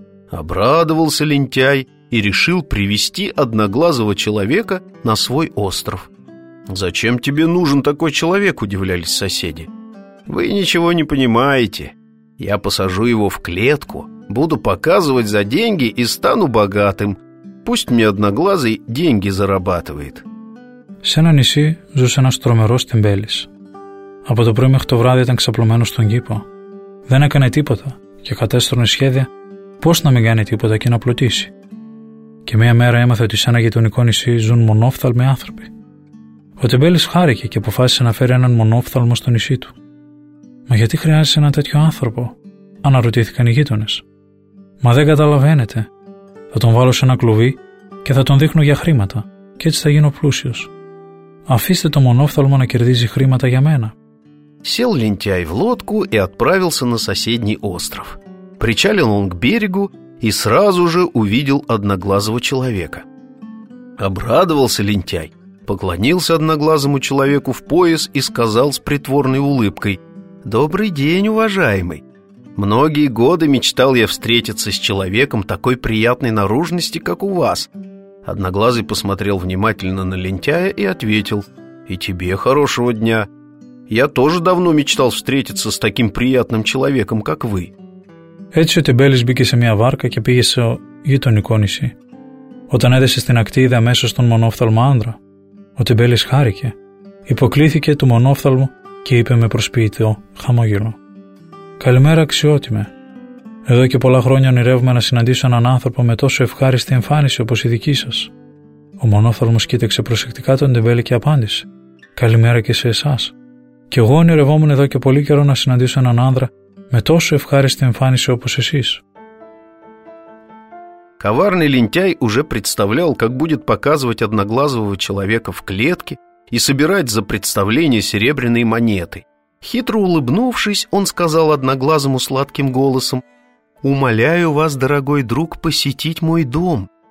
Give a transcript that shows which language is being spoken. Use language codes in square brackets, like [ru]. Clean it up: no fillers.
[ru] Обрадовался лентяй и решил привести одноглазого человека на свой остров. «Зачем тебе нужен такой человек?» – удивлялись соседи. «Вы ничего не понимаете. Я посажу его в клетку, буду показывать за деньги и стану богатым. Пусть мне одноглазый деньги зарабатывает». [el] Σε ένα νησί ζούσε ένας τρομερός τεμπέλης. Από το πρωί μέχρι το βράδυ ήταν ξαπλωμένος στον κήπο. Δεν έκανε τίποτα και κατέστρωνε σχέδια πώς να μην κάνει τίποτα και να πλουτίσει. Και μία μέρα έμαθε ότι σε ένα γειτονικό νησί ζουν μονόφθαλμοι άνθρωποι. Ο τεμπέλης χάρηκε και αποφάσισε να φέρει έναν μονόφθαλμο στο νησί του. «Μα γιατί χρειάζεσαι ένα τέτοιο άνθρωπο?» αναρωτήθηκαν οι γείτονες. «Μα δεν καταλαβαίνετε. Θα τον βάλω σε ένα κλουβί και θα τον δείχνω για χρήματα και έτσι θα γίνω πλούσιος. Αφήστε το μονόφθαλμο να κερδίζει χρήματα για μένα». [ru] Сел лентяй в лодку и отправился на соседний остров. Причалил он к берегу и сразу же увидел одноглазого человека. Обрадовался лентяй, поклонился одноглазому человеку в пояс и сказал с притворной улыбкой: «Добрый день, уважаемый! Многие годы мечтал я встретиться с человеком такой приятной наружности, как у вас». Одноглазый посмотрел внимательно на лентяя и ответил: «И тебе хорошего дня! Я тоже давно мечтал встретиться с таким приятным человеком, как вы». [el] Έτσι ο Τεμπέλης μπήκε σε μια βάρκα και πήγε στο γειτονικό νησί. Όταν έδεσε στην ακτή, είδε αμέσως τον μονόφθαλμο άντρα. Ο Τεμπέλης χάρηκε, υποκλήθηκε του μονόφθαλμου και είπε με προσποιητό χαμόγελο: «Καλημέρα, αξιότιμε. Εδώ και πολλά χρόνια ονειρεύομαι να συναντήσω έναν άνθρωπο με τόσο ευχάριστη εμφάνιση όπως η δική σας». Ο μονόφθαλμος κοίταξε προσεκτικά τον Τεμπέλη και απάντησε: «Καλημέρα και σε εσάς. Κι εγώ ονειρευόμουν εδώ και πολύ καιρό να συναντήσω έναν άνδρα με τόσο ευχάριστη εμφάνιση όπως εσείς». [ru] Коварный лентяй уже представлял, как будет показывать одноглазого человека в клетке и собирать за представление серебряные монеты. Хитро улыбнувшись, он сказал одноглазому сладким голосом: «Умоляю вас, дорогой друг, посетить мой дом.